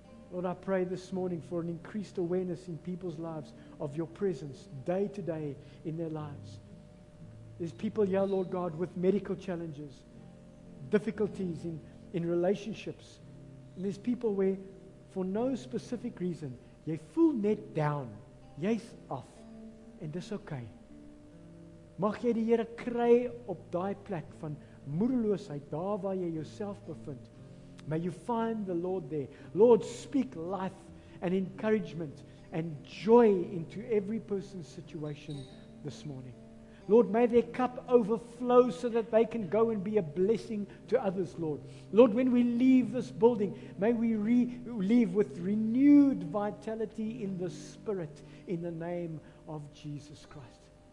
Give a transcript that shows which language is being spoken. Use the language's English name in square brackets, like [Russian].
[English] Lord, I pray this morning for an increased awareness in people's lives of Your presence day to day in their lives. There's people here, Lord God, with medical challenges, difficulties in relationships. And there's people where, for no specific reason, you're full net down, yes, off, and it's okay. [Afrikaans] Mag jy die Here kry op daai plek van moedeloosheid, daar waar jy jouself bevind. [English] May you find the Lord there. Lord, speak life and encouragement and joy into every person's situation this morning. Lord, may their cup overflow so that they can go and be a blessing to others, Lord. Lord, when we leave this building, may we leave with renewed vitality in the Spirit, in the name of Jesus Christ.